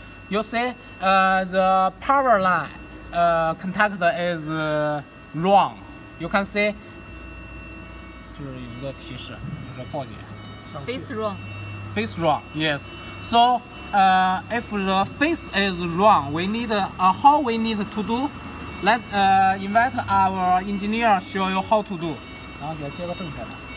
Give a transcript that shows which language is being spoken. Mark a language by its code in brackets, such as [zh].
[en] You see, the power line contact is wrong. You can see. [zh] 就是有一个提示，就是报警。 [en] Face wrong. Yes. So, if the face is wrong, we need how we need to do. Let invite our engineer show you how to do. [zh] 然后给他接个正确的。